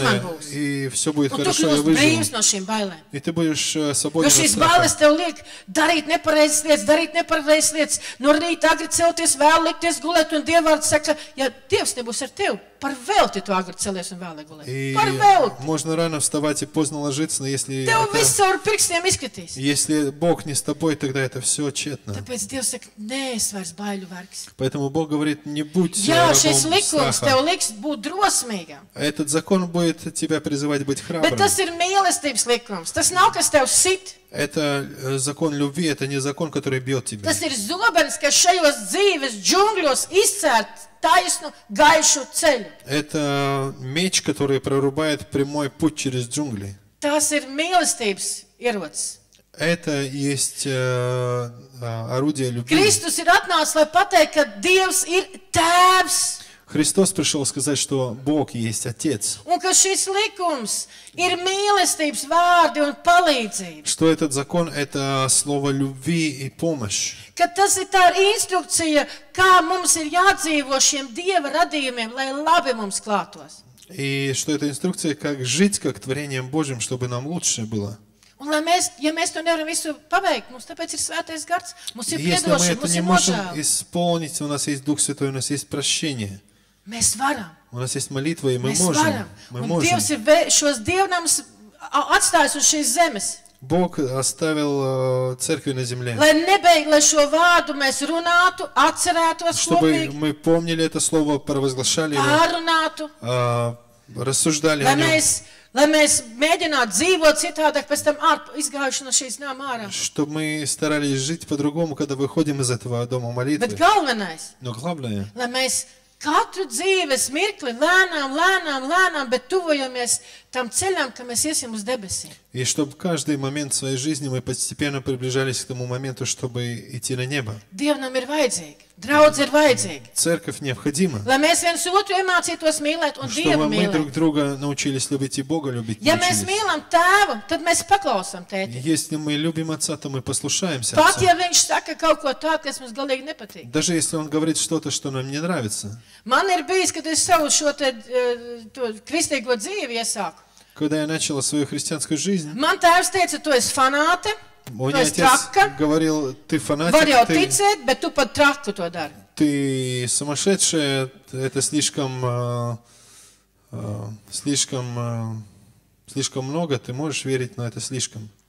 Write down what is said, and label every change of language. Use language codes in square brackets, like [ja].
[lv] man būs. [ru] И все будет [lv] un [ru] хорошо, я выживу. [lv] Un tu kļūst no šīm bailēm. [ru] И ты будешь свободен от страха. [lv] Jo šīs bailes tev liek darīt nepareizas lietas, no rīta agri celties, vēl likties gulēt, un Dievvārds saka, ja Dievs nebūs ar tevi. Par velti tu agri celies un vēlēk gulēt. [ru] И [lv] Par velti. [ru] Можно рано вставать и поздно ложиться, но если [lv] Tev это... viss caur pirkstiem izskatīs. [ru] Если Бог не с тобой, тогда это все тщетно. [lv] Tāpēc Dievs saka, nē, es vairs baiļu vergs. [ru] Поэтому Бог говорит, не будь [lv] Jā, šis likums tev liks būt drosmīgam. [ru] Этот закон будет тебя призывать быть храбрым. [lv] Bet tas ir mīlestības likums. Tas nav, kas tev sit. [ru] Это закон любви, это не закон, который бьет тебя. [lv] Tas ir zobens, kas šajos dzīves džungļos izcērt Таясно гайшу цель. [ru] Это меч, который прорубает прямой путь через джунгли. [lv] Tas ir mīlestības ierocis. [ru] Это есть орудие любви. [lv] Христос ir atnācis, lai pateikt, ka Dievs ir Tēvs. [ru] Христос пришёл сказать, что Бог есть Отец. [lv] Un ka šis likums ir mīlestības vārdi un palīdzība. [ru] Что этот закон это слово любви и помощь. [lv] Ka tas ir tā instrukcija, kā mums ir jādzīvo šiem Dieva radījumiem, lai labi mums klātos. [ru] И что это инструкция, как жить как творением Божьим, чтобы нам лучше было. [lv] Un lai mēs, ja mēs to nevaram visu paveikt, mums tāpēc ir Svētais Gars, mums ir piedošana, mums ir [ru] nožēla. Если мы это не можем исполнить, у нас есть Дух Святой, у нас есть прощение. [lv] Mēs varam. [ru] У нас есть молитва, и мы можем. [lv] Mēs varam. Un можем. Dievs ir šos Dievnamus atstājis uz šīs zemes. [ru] Бог оставил церкви на земле. [lv] Lai nebeig, lai šo vārdu mēs runātu, atcerētos kopīgi. [ru] Чтобы мы помнили это слово, провозглашали его. Пронату. Рассуждали о нём. [lv] Lai mēs mēģinātu dzīvot citādāk, pēc tam izgājuši no šīs nām ārā. [ru] Чтоб мы старались жить по-другому, когда выходим из этого дома молитвы. [lv] Bet galvenais. [ru] Но главное. [lv] Lai mēs katru dzīves mirkli lēnām, bet tuvojamies tam ceļam, ka mēs iesim uz debesīm. [ru] И чтобы каждый момент своей жизни мы постепенно приближались к тому моменту, чтобы идти на небо. [lv] Dievnam ir vajadzīgi. Draudz ir vajadzīgi. [ru] Церковь необходима. [lv] Lai mēs viens otru iemācītos mīlēt un Dievu mīlēt. [ru] Чтобы мы друг друга научились любить и Бога любить. [lv] Ja мы mīlam Tēvu, tad мы paklausām Tēti. [ru] Если мы любим Отца, то мы послушаемся Отца. [lv] Pat ja viņš saka kaut ko tādu, kas mums galīgi nepatīk. [ru] Даже если он говорит что-то, что нам не нравится. [lv] Man ir bijis, kad es savu šo te to kristīgo dzīvi iesāku. [ru] Когда я начала свою христианскую жизнь. [lv] Man Tēvs teica, tu esi fanāte. [ru] Мой отец говорил, ты фанатик. [lv] Var jau ticēt, bet tu pat traku to dari. [ru] Ты сумасшедшая, это слишком слишком много, ты можешь верить, но это слишком.